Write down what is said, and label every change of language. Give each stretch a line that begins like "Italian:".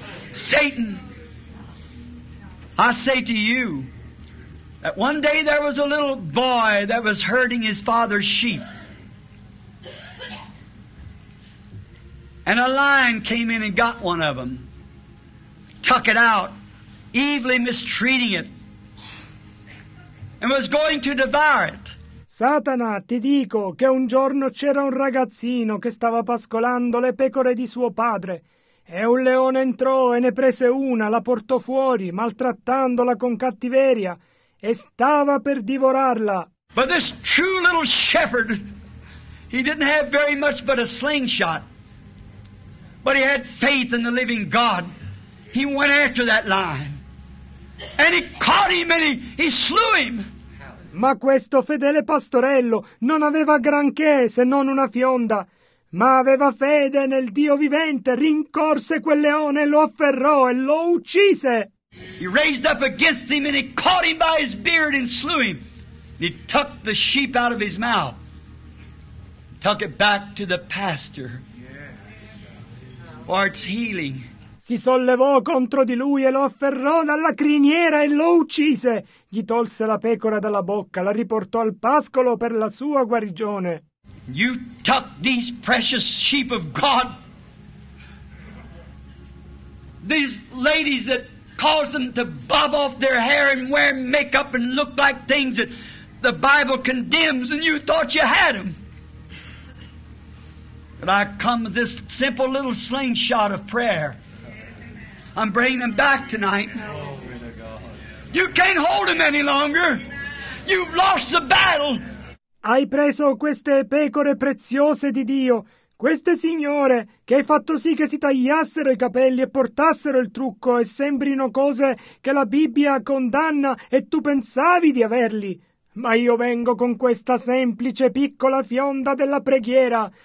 English: Satan, I say to you, that one day there was a little boy that was herding his father's sheep. And a lion came in and got one of them, took it out, evilly mistreating it, and was going to devour it.
Italian: Satana, ti dico che un giorno c'era un ragazzino che stava pascolando le pecore di suo padre. E un leone entrò e ne prese una, la portò fuori, maltrattandola con cattiveria, e stava per divorarla.
English: But this true little shepherd, he didn't have very much but a slingshot. But he had faith in the living God. He went after that lion. And he caught him and he slew him.
Italian: Ma questo fedele pastorello non aveva granché se non una fionda. Ma aveva fede nel Dio vivente, rincorse quel leone, lo afferrò e lo uccise.
English: He raised up against him and he caught him by his beard and slew him. And he took the sheep out of his mouth. Took it back to the pasture. Or it's healing.
Italian: si sollevò contro di lui e lo afferrò dalla criniera e lo uccise. Gli tolse la pecora dalla bocca, la riportò al pascolo per la sua guarigione.
English: You took these precious sheep of God, these ladies that caused them to bob off their hair and wear makeup and look like things that the Bible condemns, and you thought you had them. But I come with this simple little slingshot of prayer. I'm bringing them back tonight. You can't hold them any longer. You've lost the battle.
Italian: Hai preso queste pecore preziose di Dio, queste signore che hai fatto sì che si tagliassero i capelli e portassero il trucco e sembrino cose che la Bibbia condanna e tu pensavi di averli. Ma io vengo con questa semplice piccola fionda della preghiera.